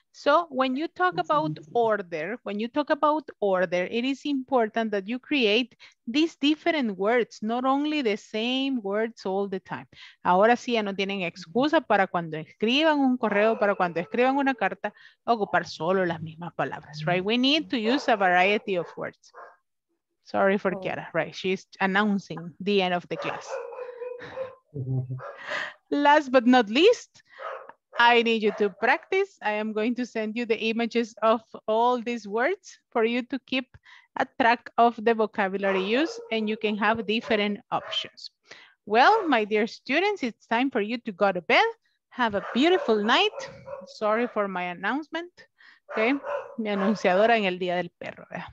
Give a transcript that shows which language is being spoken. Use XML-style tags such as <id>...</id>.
<en>So when you talk about order, when you talk about order, it is important that you create these different words, not only the same words all the time.</en> <es>Ahora sí ya no tienen excusa para cuando escriban un correo, para cuando escriban una carta, ocupar solo las mismas palabras, right?</es> <en>We need to use a variety of words. Sorry for Kiara, right? She's announcing the end of the class. Last but not least, I need you to practice. I am going to send you the images of all these words for you to keep a track of the vocabulary use, and you can have different options. Well, my dear students, it's time for you to go to bed. Have a beautiful night. Sorry for my announcement.</en> <es>Okay, mi anunciadora en el día del perro.</es>